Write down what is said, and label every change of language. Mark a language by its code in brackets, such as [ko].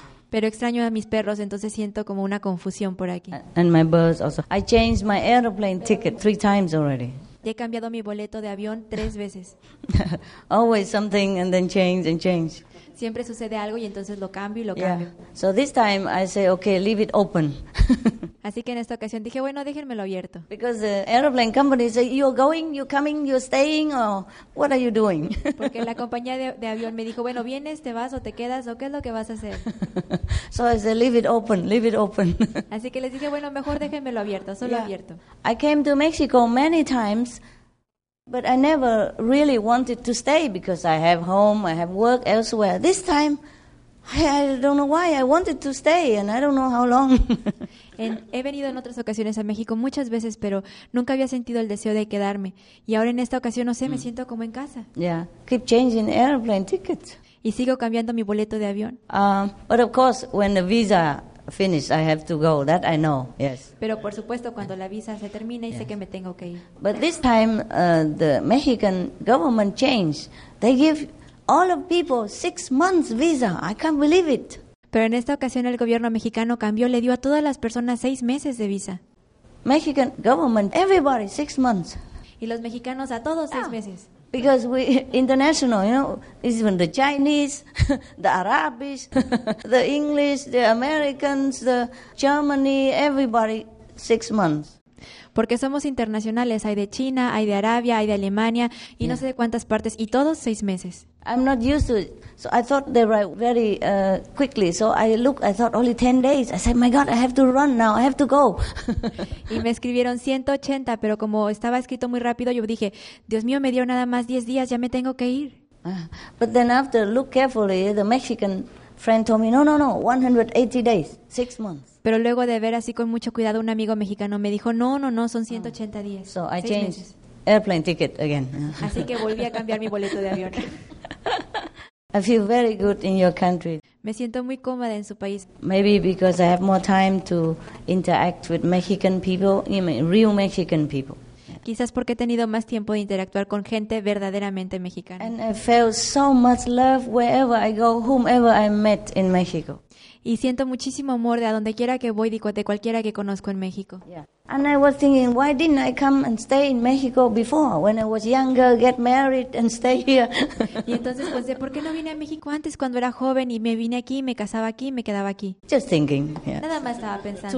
[es] Pero extraño a mis perros, entonces siento como una confusión por aquí. [en] And my birds also. I changed my airplane ticket 3 times already. [es] He cambiado mi boleto de avión 3 veces. [en] Always something and then change and change. [es] Siempre sucede algo y entonces lo cambio y lo cambio. [en] Yeah. So this time I say, okay, leave it open. [es] Así que en esta ocasión dije, bueno, déjenmelo abierto. [en] Because the airplane company say, you're going, you're coming, you're staying, or what are you doing? [es] Porque la compañía de avión me dijo, bueno, vienes, te vas o te quedas, o qué es lo que vas a hacer. [en] So I say, leave it open, leave it open. [es] Así que les dije, bueno, mejor déjenmelo abierto, solo abierto. [en] I came to Mexico many times. But I never really wanted to stay because I have home, I have work elsewhere. This time, I don't know why I wanted to stay and I don't know how long. [es] He venido en otras ocasiones a México muchas veces, pero nunca había sentido el deseo de quedarme. Y ahora en esta ocasión, no sé, me siento como en casa. [en] Yeah, keep changing airplane tickets. [es] Y sigo cambiando mi boleto de avión. [en] But of course, when the visa finish, I have to go. That I know. Yes. [es] Pero por supuesto, cuando la visa se termina, sé que me tengo que ir. [en] But this time, the Mexican government changed. They give all of people 6 months visa. I can't believe it. [es] Pero en esta ocasión el gobierno mexicano cambió. Le dio a todas las personas 6 meses de visa. [en] Mexican government, everybody, 6 months. [es] Y los mexicanos a todos seis meses. [en] Because we international, you know, even the Chinese, the Arabs, the English, the Americans, the Germany, everybody, 6 months. [es] Porque somos internacionales, hay de China, hay de Arabia, hay de Alemania, y no sé de cuántas partes, y todos 6 meses. [en] I'm not used to it, so I thought they write very quickly, so I looked, I thought only 10 days, I said, my God, I have to run now, I have to go. [es] Y me escribieron 180, pero como estaba escrito muy rápido, yo dije, Dios mío, me dio nada más 10 días, ya me tengo que ir. [en] But then after, look carefully, the Mexican friend told me, no, 180 days, 6 months. [es] Pero luego de ver así con mucho cuidado, un amigo mexicano me dijo, no, son 180 días. [en] So I changed airplane ticket again. [es] Así que volví a cambiar mi boleto de avión. [en] I feel very good in your country. [es] Me siento muy cómoda en su país. [en] Maybe because I have more time to interact with Mexican people, real Mexican people. [es] Quizás porque he tenido más tiempo de interactuar con gente verdaderamente mexicana. [en] And I feel so much love wherever I go, whomever I met in Mexico. [es] Y siento muchísimo amor de a donde quiera que voy, de cualquiera que conozco en México. [en] Yeah. And I was thinking, why didn't I come and stay in Mexico before, when I was younger, get married and stay here? [es] Y entonces pensé, ¿por qué no vine a México antes cuando era joven y me vine aquí, me casaba aquí y me quedaba aquí? [en] Just thinking, yeah. [es] Nada más estaba pensando.